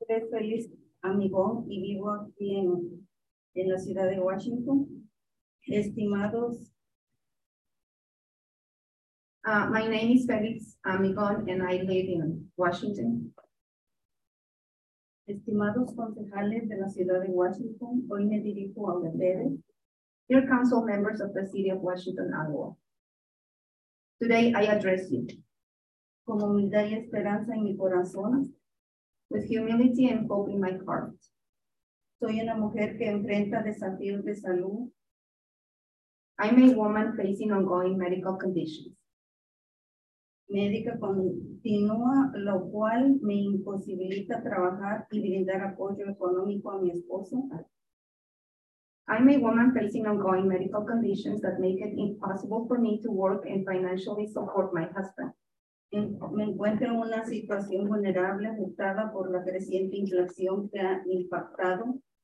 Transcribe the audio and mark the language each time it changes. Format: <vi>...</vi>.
<es>Soy amigo y vivo aquí en la ciudad de Washington. Estimados.</es> <en>My name is Felix Amigón and I live in Washington.</en> <es>Estimados concejales de la ciudad de Washington, hoy me dirijo a ustedes.</es> <en>Dear council members of the City of Washington, Iowa. Today I address you.</en> <es>Con humildad y esperanza en mi corazón,</es> <en>with humility and hope in my heart.</en> <es>Soy una mujer que enfrenta desafíos de salud.</es> <en>I'm a woman facing ongoing medical conditions.</en> <es>Médica continua, lo cual me imposibilita trabajar y brindar apoyo económico a mi esposo.</es> <en>I'm a woman facing ongoing medical conditions that make it impossible for me to work and financially support my husband.</en> <es>Me encuentro en una situación vulnerable afectada por la creciente inflación que ha impactado.</es>